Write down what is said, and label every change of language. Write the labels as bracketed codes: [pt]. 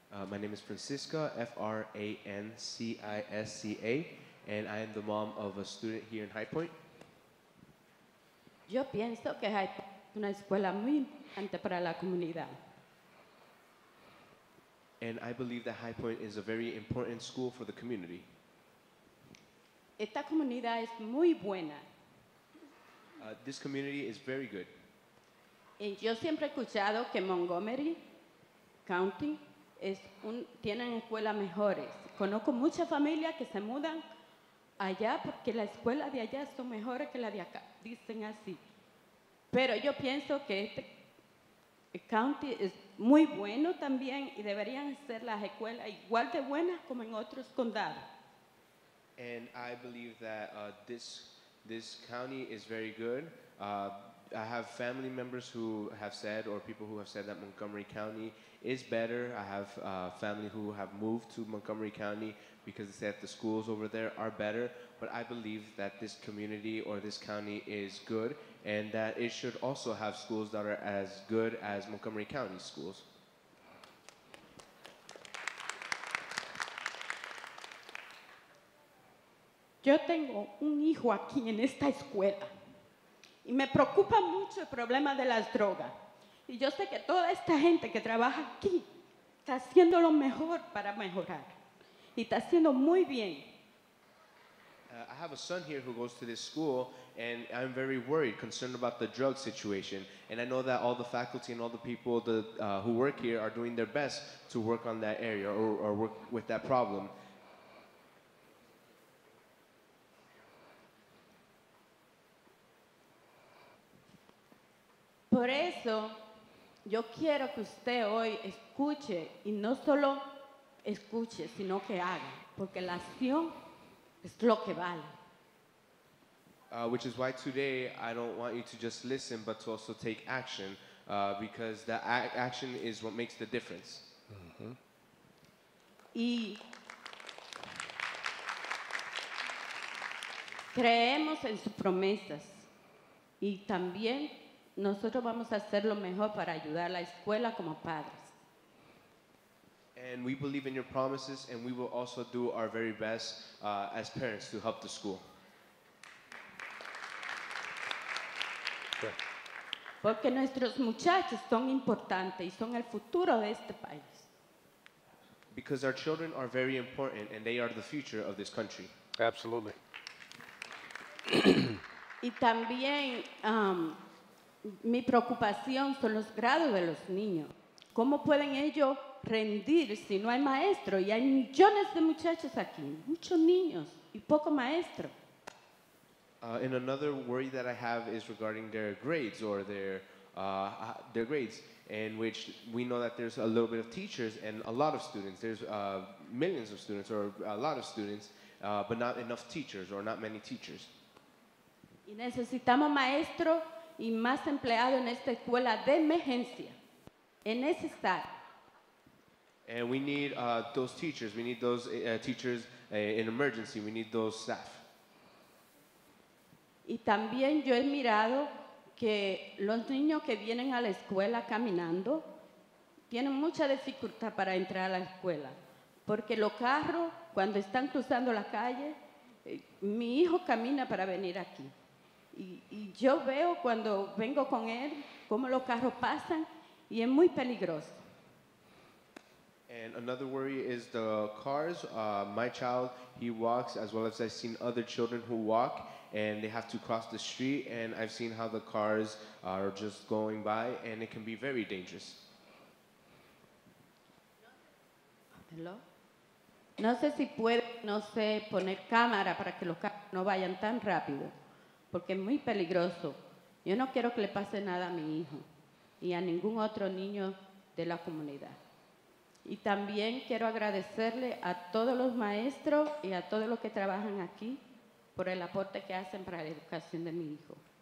[en] My name is Francisca, F-R-A-N-C-I-S-C-A, and I am the mom of a student here in High Point. [es] Yo pienso que High Point es una escuela muy importante para la comunidad. [en] And I believe that High Point is a very important school for the community. [es] Esta comunidad es muy buena. [en] This community is very good. [es] Y yo siempre he escuchado que Montgomery County es un, tienen escuelas mejores. Conozco muchas familias que se mudan allá porque las escuelas de allá son mejores que las de acá. Dicen así. Pero yo pienso que este county es muy bueno también y deberían ser las escuelas igual de buenas como en otros condados. [en] And I believe that this county is very good. I have family members who have said, or people who have said, that Montgomery County is better. I have family who have moved to Montgomery County because they said the schools over there are better. But I believe that this community or this county is good, and that it should also have schools that are as good as Montgomery County schools. [es] Yo tengo un hijo aquí en esta escuela. Y me preocupa mucho el problema de las drogas. Y yo sé que toda esta gente que trabaja aquí está haciendo lo mejor para mejorar. Y está haciendo muy bien. [en] I have a son here who goes to this school, and I'm very worried, concerned about the drug situation. And I know that all the faculty and all the people who work here are doing their best to work on that area or work with that problem. [es] Por eso, yo quiero que usted hoy escuche, y no solo escuche, sino que haga, porque la acción es lo que vale. [en] Which is why today I don't want you to just listen, but to also take action, because the action is what makes the difference. [es] Mm-hmm. Y creemos en sus promesas, y también nosotros vamos a hacer lo mejor para ayudar a la escuela como padres. [en] And we believe in your promises, and we will also do our very best as parents to help the school. [es] Porque nuestros muchachos son importantes y son el futuro de este país. [en] Because our children are very important, and they are the future of this country. Absolutely. [es] Y también mi preocupación son los grados de los niños. ¿Cómo pueden ellos rendir si no hay maestro? Y hay millones de muchachos aquí, muchos niños y poco maestro. [en] And another worry that I have is regarding their grades or their grades, in which we know that there's a little bit of teachers and a lot of students. There's millions of students or a lot of students, but not enough teachers or not many teachers. [es] Y necesitamos maestro y más empleado en esta escuela de emergencia. Es necesario. [en] And we need those teachers. We need those teachers in emergency. We need those staff. [es] Y también yo he mirado que los niños que vienen a la escuela caminando tienen mucha dificultad para entrar a la escuela. Porque los carros cuando están cruzando la calle, mi hijo camina para venir aquí. Y yo veo cuando vengo con él cómo los carros pasan y es muy peligroso. [en] And another worry is the cars. My child, he walks, as well as I've seen other children who walk, and they have to cross the street, and I've seen how the cars are just going by, and it can be very dangerous. Hello? [es] No sé si puede, no sé, poner cámara para que los carros no vayan tan rápido, porque es muy peligroso. Yo no quiero que le pase nada a mi hijo y a ningún otro niño de la comunidad. Y también quiero agradecerle a todos los maestros y a todos los que trabajan aquí por el aporte que hacen para la educación de mi hijo.